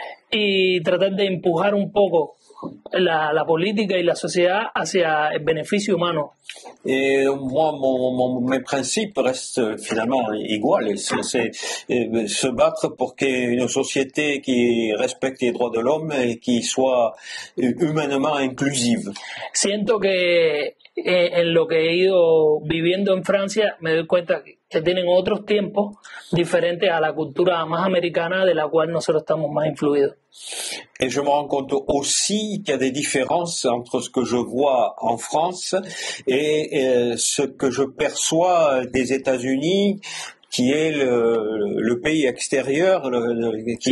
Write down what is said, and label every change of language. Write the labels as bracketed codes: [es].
[es] Y tratar de empujar un poco la política y la sociedad hacia el beneficio humano. [fr] Et moi, mes principes restent finalement iguales. C'est se battre pour qu'il y ait une société qui respecte les droits de l'homme et qui soit humainement inclusive. [es] Siento que en lo que he ido viviendo en Francia, me doy cuenta que tienen otros tiempos diferentes a la cultura más americana de la cual nosotros estamos más influidos. [fr] Et je me rends compte aussi qu'il y a des différences entre ce que je vois en France et ce que je perçois des États-Unis, qui est le pays extérieur qui